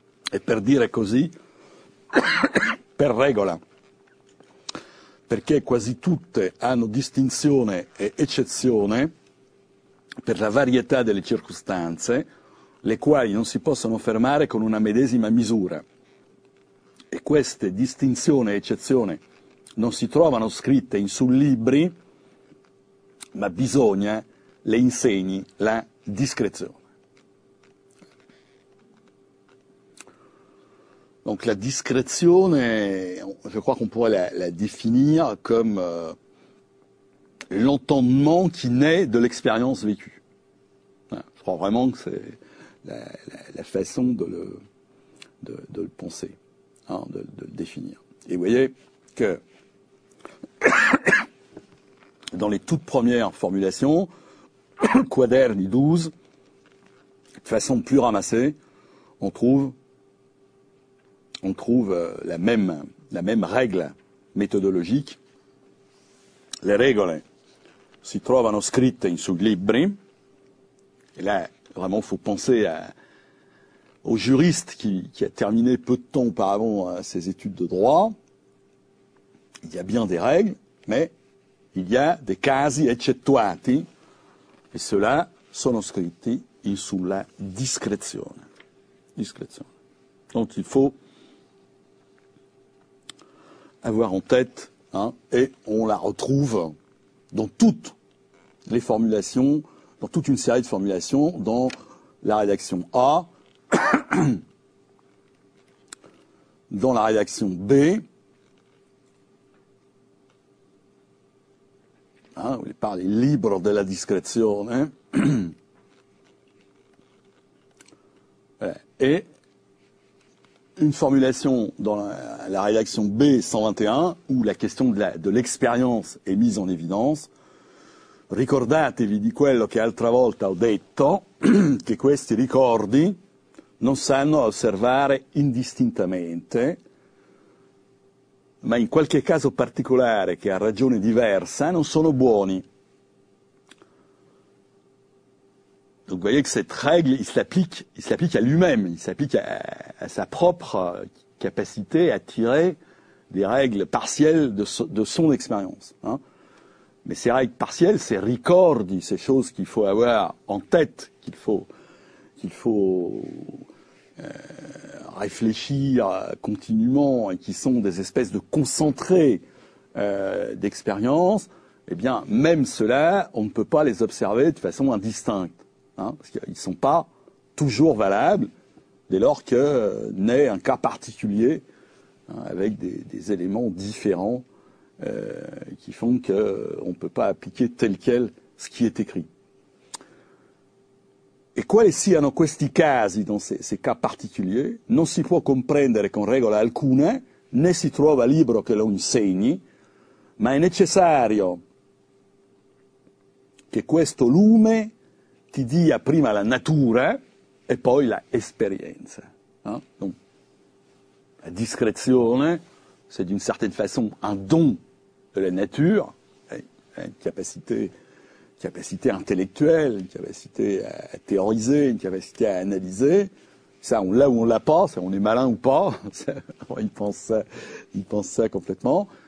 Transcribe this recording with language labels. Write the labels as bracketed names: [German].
[Italian] E per dire così, per regola, perché quasi tutte hanno distinzione e eccezione per la varietà delle circostanze, le quali non si possono fermare con una medesima misura. E queste distinzioni e eccezioni non si trovano scritte in su libri, ma bisogna le insegni la discrezione. [French] Donc la discrezione, je crois qu'on pourrait la définir comme l'entendement qui naît de l'expérience vécue. Je crois vraiment que c'est la façon de le penser, hein, de le définir. Et vous voyez que dans les toutes premières formulations, quaderni 12, de façon plus ramassée, on trouve la même règle méthodologique. [Italian] Les regole si trovano scritte in sui libri. [French] Et là, vraiment, il faut penser au juriste qui a terminé peu de temps auparavant ses études de droit. Il y a bien des règles, mais il y a des [Italian] casi eccettuati. [French] Et ceux-là [Italian] sono scritti in sulla discrezione. Discrezione. [French] Donc il faut avoir en tête, hein, et on la retrouve dans toutes les formulations, dans toute une série de formulations, dans la rédaction A, dans la rédaction B, hein, où il parle libre de la discrétion, hein, et une formulation dans la rédaction B 121, où la question de l'expérience est mise en évidence. [Italian] Ricordatevi di quello che altra volta ho detto, che questi ricordi non sanno osservare indistintamente, ma in qualche caso particolare che ha ragione diversa non sono buoni. [French] Donc vous voyez que cette règle, il s'applique à lui-même, il s'applique à sa propre capacité à tirer des règles partielles de son expérience. Hein. Mais ces règles partielles, ces ricordi, ces choses qu'il faut avoir en tête, qu'il faut réfléchir continuellement et qui sont des espèces de concentrés d'expérience, eh bien même cela, on ne peut pas les observer de façon indistincte. Hein, parce qu'ils ne sont pas toujours valables dès lors que naît un cas particulier, hein, avec des éléments différents qui font qu'on ne peut pas appliquer tel quel ce qui est écrit. [Italian] Et quali siano questi casi, [French] dans ces cas particuliers, [Italian] non si può comprendere con regola alcune, né si trova libro che lo insegni, ma è necessario che questo lume ti dia prima la natura e poi la esperienza. Hein? [French] Donc, la discrezione, c'est d'une certaine façon un don de la nature, une capacité intellectuelle, une capacité à théoriser, une capacité à analyser. Ça, là où on l'a pas, c'est on est malin ou pas, il pense ça complètement.